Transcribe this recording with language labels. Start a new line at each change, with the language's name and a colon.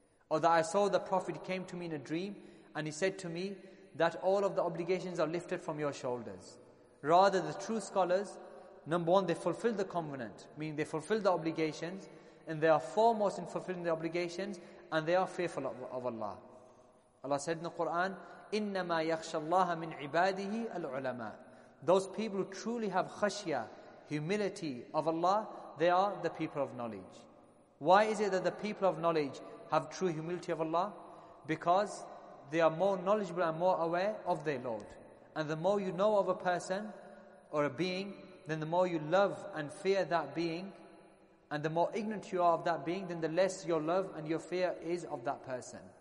English: Or that I saw the Prophet came to me in a dream, and he said to me that all of the obligations are lifted from your shoulders. Rather, the true scholars, number one, they fulfill the covenant, meaning they fulfill the obligations, and they are foremost in fulfilling the obligations, and they are fearful of Allah. Allah said in the Quran,
Arabic: إِنَّمَا يَخْشَ اللَّهَ مِنْ عِبَادِهِ الْعُلَمَاءِ.
English: Those people who truly have khashya, humility of Allah, they are the people of knowledge. Why is it that the people of knowledge have true humility of Allah? Because they are more knowledgeable and more aware of their Lord. And the more you know of a person or a being, then the more you love and fear that being, and the more ignorant you are of that being, then the less your love and your fear is of that person.